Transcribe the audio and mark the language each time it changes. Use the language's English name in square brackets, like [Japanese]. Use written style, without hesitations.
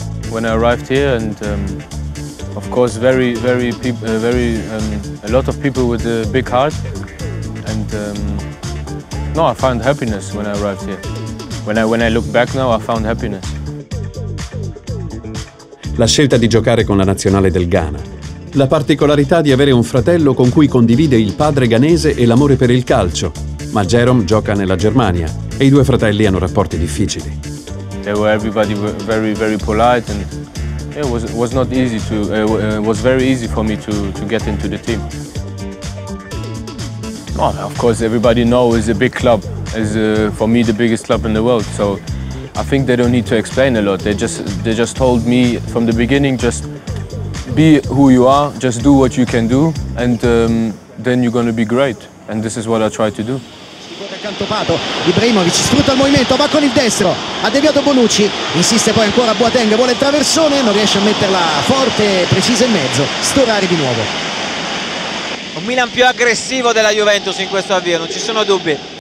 [English] When I arrived here and of course very very very a lot of people with a big heart and no, I found happiness when I arrived here. When I look back now, I found happiness. [Italian] La scelta di giocare con la nazionale del Ghana. La particolarità di avere un fratello con cui condivide il padre ghanese e l'amore per il calcio. Ma Jerome gioca nella Germania e i due fratelli hanno rapporti difficili. [English] They were everybody very very polite and it was not easy to was very easy for me to get into the team. Oh, of course everybody knows it's a big club. It's for me the biggest club in the world. So I think they don't need to explain a lot. They just told me from the beginning just be who you are, just do what you can do and then you're going to be great and this is what I try to do. [Italian] Accantopato Ibrahimovic sfrutta il movimento, va con il destro, ha deviato Bonucci, insiste poi ancora Boateng, vuole il traversone, non riesce a metterla forte, precisa in mezzo, Storari di nuovo. Un Milan più aggressivo della Juventus in questo avvio, non ci sono dubbi.